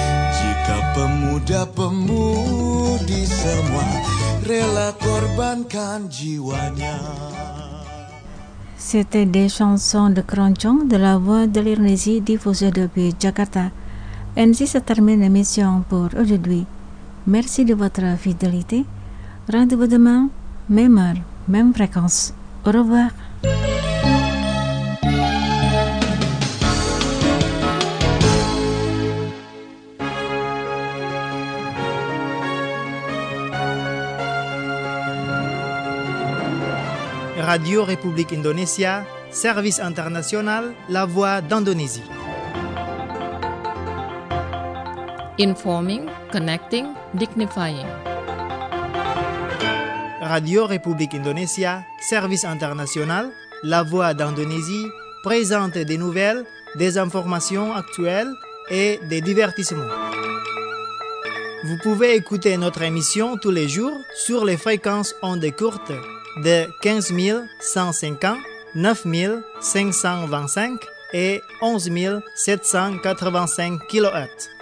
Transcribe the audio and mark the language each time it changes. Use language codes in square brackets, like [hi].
[id] Jika pemuda-pemudi semua rela korbankan jiwanya. [fr] C'était des chansons de Keroncong de la Voix de l'Indonésie diffusée depuis Jakarta. Ainsi se termine l'émission pour aujourd'hui. Merci de votre fidélité. Rendez-vous demain, même heure, même fréquence. Au revoir. Radio République Indonésia, service international, La Voix d'Indonésie. [en] Informing, connecting, dignifying. [fr] Radio République Indonésia, service international, La Voix d'Indonésie, présente des nouvelles, des informations actuelles et des divertissements. Vous pouvez écouter notre émission tous les jours sur les fréquences ondes courtes de 15150, 9525 et 11785 kHz.